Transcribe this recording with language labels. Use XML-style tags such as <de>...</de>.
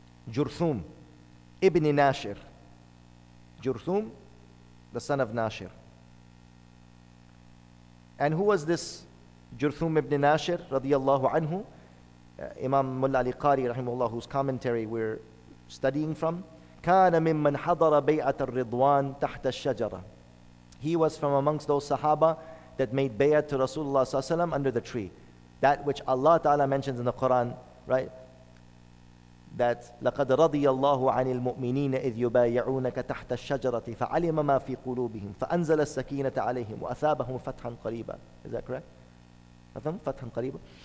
<en>Jurthum ibn Nashir. Jurthum, the son of Nashir. And who was this Jurthum ibn Nashir radiyallahu anhu? Imam Mullah Ali Qari rahimahullah, whose commentary we're studying from.</en> <ar>كان ممن حضر بيعة الرضوان تحت الشجرة.</ar> <en>He was from amongst those Sahaba that made bayah to Rasulullah sallallahu alaihi wasallam under the tree. That which Allah ta'ala mentions in the Quran, right?</en> <ar>That لَقَدْ رَضِيَ اللَّهُ عَنِ الْمُؤْمِنِينَ إِذْ يُبَايَعُونَكَ تَحْتَ الشَّجَرَةِ فَعَلِمَ مَا فِي قُلُوبِهِمْ فَأَنزَلَ السَّكِينَةَ عَلَيْهِمْ وَأَثَابَهُمْ فَتْحًا قَرِيبًا.</ar> <en>Is that correct?</en> <ar>فَتْحًا قَرِيبًا.</ar>